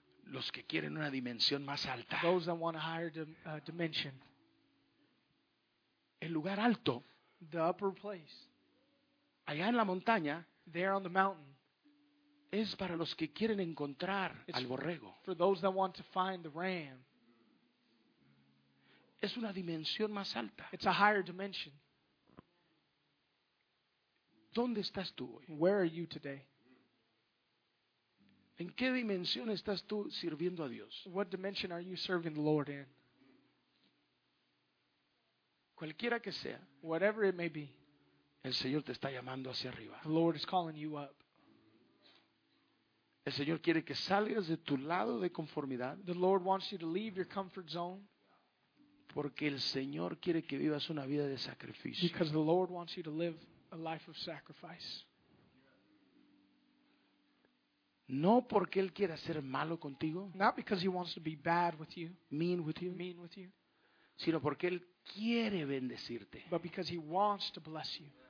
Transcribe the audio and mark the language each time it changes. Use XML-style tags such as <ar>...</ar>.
<es>Los que quieren una dimensión más alta.</es> <en>Those that want a higher dimension.</en> <es>El lugar alto.</es> <en>The upper place.</en> <es>Allá en la montaña.</es> <en>There on the mountain.</en> <es>Es para los que quieren encontrar al borrego.</es> <en>For those that want to find the ram.</en> <es>Es una dimensión más alta.</es> <en>It's a higher dimension.</en> <es>¿Dónde estás tú hoy?</es> <en>Where are you today?</en> <es>¿En qué dimensión estás tú sirviendo a Dios?</es> <en>What dimension are you serving the Lord in?</en> <es>Cualquiera que sea,</es> <en>whatever it may be,</en> <es>el Señor te está llamando hacia arriba.</es> <en>The Lord is calling you up.</en> <es>El Señor quiere que salgas de tu lado de conformidad.</es> <en>The Lord wants you to leave your comfort zone.</en> <es>Porque el Señor quiere que vivas una vida de sacrificio.</es> <en>Because the Lord wants you to live a life of sacrifice.</en> <es>No porque él quiera ser malo contigo.</es> <en>Not because he wants to be bad with you. Mean with you. Mean with you.</en> <es>Sino porque él quiere bendecirte.</es> <en>But because he wants to bless you.</en>